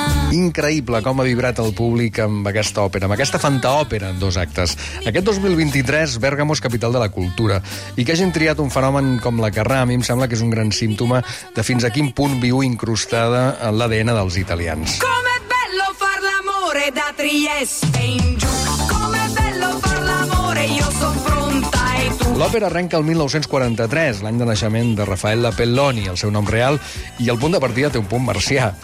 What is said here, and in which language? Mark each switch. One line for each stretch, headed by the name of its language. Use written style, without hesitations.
Catalan: Increïble com ha vibrat el públic amb aquesta òpera, amb aquesta fantaòpera en dos actes. Aquest 2023, Bergamo és capital de la cultura. I que hagin triat un fenomen com la Carrà, a mi em sembla que és un gran símptoma de fins a quin punt viu incrustada en l'ADN dels italians.
Italian: Com è bello far l'amore da Trieste in giù. Com è bello far l'amore, io son pronta e tu.
Catalan: L'òpera arrenca el 1943, l'any de naixement de Raffaella Pelloni, el seu nom real, i el punt de partida té un punt marcià.